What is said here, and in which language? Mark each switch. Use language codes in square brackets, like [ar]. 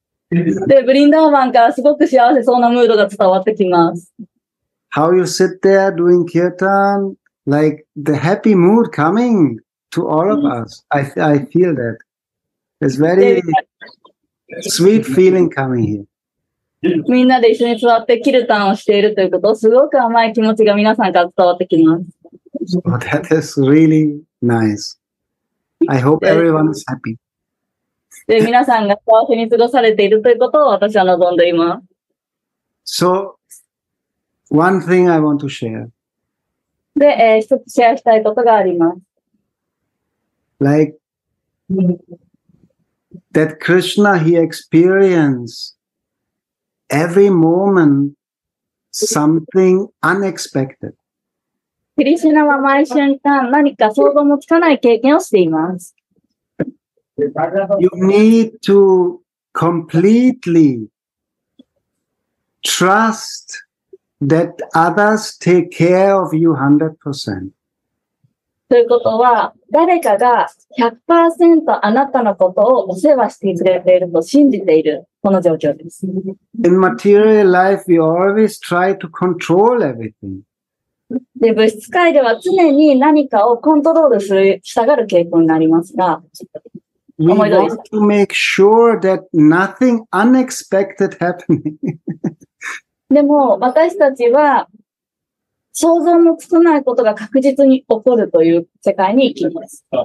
[ja] で、ブリンダーバンからすごく幸せそうなムードが伝わってきます。 [en] How you sit there doing kirtan? Like the happy mood coming to all of us. I feel that. It's very sweet feeling coming here. [ja] みんなで一緒に座ってキルタンをしているということ、すごく甘い気持ちが皆さんから伝わってきます。 [en] Oh, that is really nice. I hope everyone is happy. [ja] で、皆さんが幸せに過ごされているということを私は望んでいます。 [en] So, one thing I want to share. [ja] で、一つシェアしたいことがあります。 [en] Like, that Krishna, he experienced every moment something unexpected. [ja] クリシュナは毎瞬間何か想像もつかない経験をしています。 [en] You need to completely trust that others take care of you 100%. [ja] ということは、誰かが 100% あなたのことをお世話してくれていると信じているこの状況です。 [en] In material life, we always try to control everything. [ja] で、物質界では常に何かをコントロールしたがる傾向になりますが、 [en] we want to make sure that nothing unexpected happens. [ja] でも私たちは想像のつかないことが確実に起こるという世界に行きます。